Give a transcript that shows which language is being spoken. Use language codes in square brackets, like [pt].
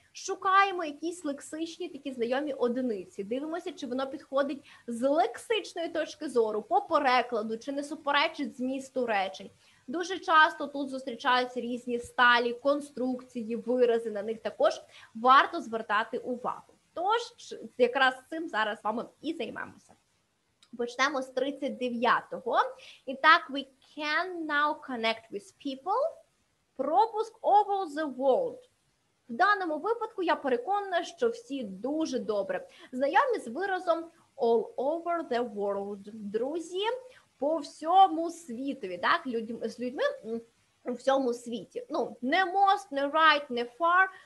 [uk] Шукаємо якісь лексичні такі знайомі одиниці, дивимося, чи воно підходить з лексичної точки зору, по перекладу, чи не суперечить змісту речень. Дуже часто тут зустрічаються різні сталі, конструкції, вирази, на них також варто звертати увагу. Тож, якраз цим зараз вами і займемося. Почнемо з 39-го. І так, [en] we can now connect with people. [uk] Пропуск [en] over the world. [uk] В даному випадку я переконана, що всі дуже добре. Знайомі з виразом [en] all over the world. [uk] Друзі, по всьому світові, так, з людьми у всьому світі. Ну, не most, не right, не far.